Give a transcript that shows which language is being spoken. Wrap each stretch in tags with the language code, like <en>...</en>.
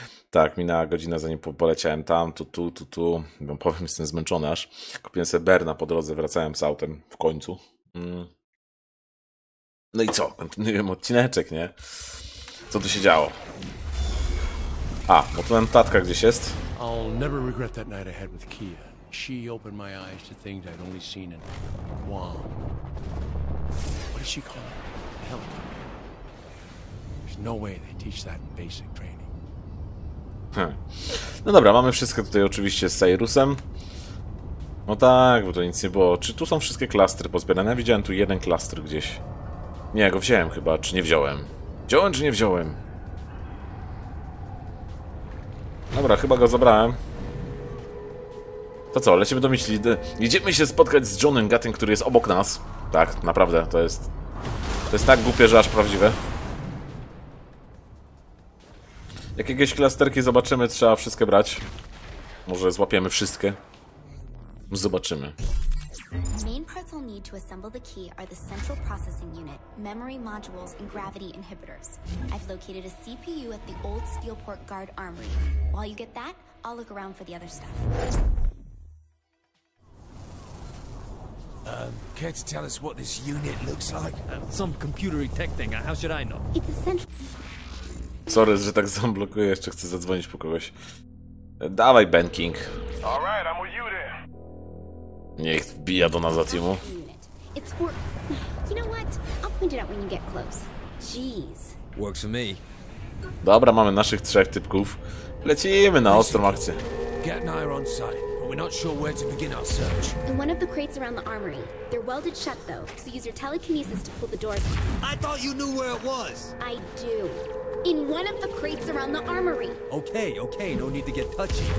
<pl>Tak, minęła godzina, zanim poleciałem tam, tu. Wam powiem, jestem zmęczony aż. Kupiłem sobie Berna po drodze, wracałem z autem w końcu. No i co? Kontynuujemy odcineczek, nie? Co tu się działo? A, bo tu nam tatka gdzieś jest.</pl> <en>I'll never regret that night I had with Kia. She opened my eyes to things I'd only seen in Guam. What does she call it? Helicopter. There's no way they teach that in basic training.</en> <pl>No dobra, mamy wszystko tutaj oczywiście z Cyrusem. No tak, bo to nic nie było. Czy tu są wszystkie klastry pozbierane? Ja widziałem tu jeden klastr gdzieś. Nie, go wziąłem chyba, czy nie wziąłem. Wziąłem, czy nie wziąłem? Dobra, chyba go zabrałem. To co, lecimy do myśli. Idziemy się spotkać z Johnem Gattem, który jest obok nas. Tak, naprawdę, to jest tak głupie, że aż prawdziwe. Jak jakieś klasterki zobaczymy, trzeba wszystkie brać. Może złapiemy wszystkie. Zobaczymy.</pl> <en>Main parts we'll need to assemble the key are the central processing unit, memory modules and gravity inhibitors. I've located a CPU at the old Steelport guard armory. While you get that, I'll look around for the other stuff. Care to tell us what this unit looks like? Some computery tech thing. How should I know? It's a central.</en> <pl>Sorry, że tak zamblokuję, jeszcze chcę zadzwonić po kogoś. Dawaj, Ben King.</pl> <en>Alright, I'm with you then.</en> <pl>Niech wbija do nas za teamu.</pl> <en>It's for... You know what? I'll point it out when you get close. Jeez. Works for me.</en> <pl>Dobra, mamy naszych trzech typków. Lecimy na ostrą akcję.</pl> <en>Get and I are on site, but we're not sure where to begin our search. In one of the crates around the armory. They're welded shut though, so use your telekinesis to pull the doors. I thought you knew where it was. I do. In one of the crates around the armory. Okay, no need to get touchy.</en>